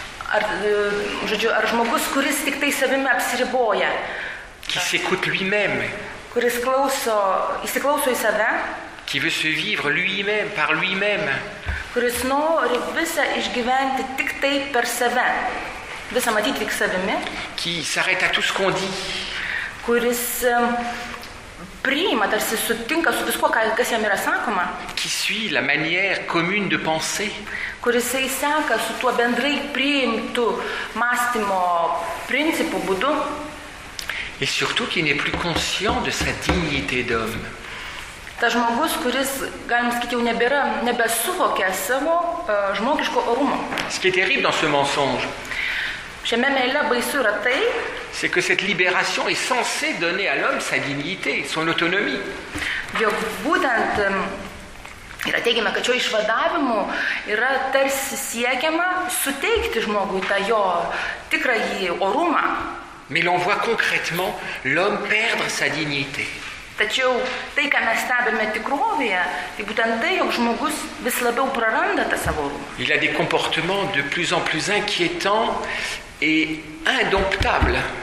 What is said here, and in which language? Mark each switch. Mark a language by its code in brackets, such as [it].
[lt] Ar žmogus, kuris tik tai savimi apsiriboja? [fr] Qui s'écoute lui-même? [lt] Kuris įsiklauso į save? [fr] Qui veut se vivre lui-même, par lui-même? [lt] Kuris nori visą išgyventi tik tai per save? Visą matyti tik savimi? [fr] Qui s'arrête à tout ce qu'on dit? [lt] Kuris priima, tarsi sutinka su viskuo, kas jam yra sakoma. [fr] Qui suit la manière commune de penser? [lt] Kuris seka su tuo bendrai priimtu mąstymo principu būdu. [fr] Et surtout qui n'est plus conscient de sa dignité d'homme. [lt] Ta žmogus, kuris, galima sakyti, jau nebesuvokia savo žmogiško orumo. [fr] Ce qui est terrible dans ce mensonge. [lt] Šiame meile baisu yra tai, [fr] c'est que cette libération est censée donner à l'homme sa dignité, son autonomie. [lt] Jog būtent yra teigiama, kad šio išvadavimu yra tarsi siekiama suteikti žmogui tą jo tikrąjį orumą. [fr] Mais l'on voit concrètement l'homme perdre sa dignité. [lt] Tačiau tai, ką mes stebime tikrovėje, tai būtent tai, jog žmogus vis labiau praranda tą savo orumą. [fr] Il a des comportements de plus en plus inquiétants et indomptables.